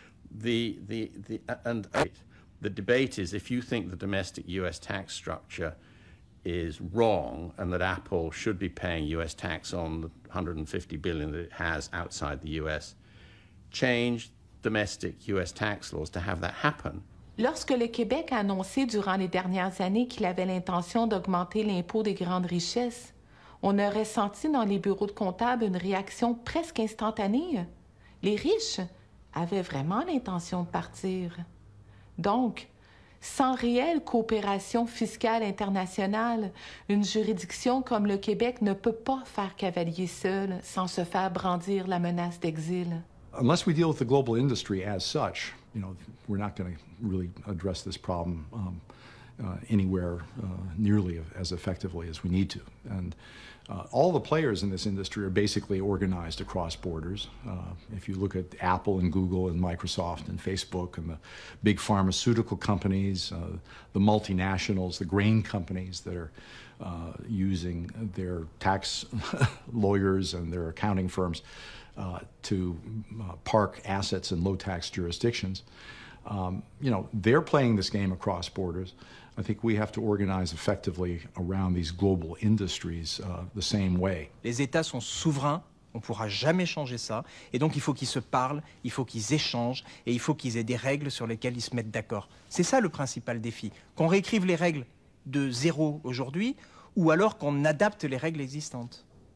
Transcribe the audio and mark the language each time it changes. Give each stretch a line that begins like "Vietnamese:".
English: The debate is, if you think the domestic US tax structure is wrong and that Apple should be paying US tax on the $150 billion that it has outside the US, change domestic US tax laws to have that happen.
French: Lorsque le Québec a annoncé durant les dernières années qu'il avait l'intention d'augmenter l'impôt des grandes richesses, on a ressenti dans les bureaux de comptables une réaction presque instantanée. Les riches avaient vraiment l'intention de partir. Donc, sans réelle coopération fiscale internationale, une juridiction comme le Québec ne peut pas faire cavalier seul sans se faire brandir la menace d'exil.
English: Unless we deal with the global industry as such, you know, we're not going to really address this problem anywhere nearly as effectively as we need to. And all the players in this industry are basically organized across borders. If you look at Apple and Google and Microsoft and Facebook and the big pharmaceutical companies, the multinationals, the grain companies that are using their tax lawyers and their accounting firms to park assets in low-tax jurisdictions. You know, they're playing this game across borders. I think we have to organize effectively around these global industries the same way.
French: Les États sont souverains, on ne pourra jamais changer ça, et donc il faut qu'ils se parlent, il faut qu'ils échangent, et il faut qu'ils aient des règles sur lesquelles ils se mettent d'accord. C'est ça le principal défi, qu'on réécrive les règles de zéro aujourd'hui, ou alors qu'on adapte les règles existantes.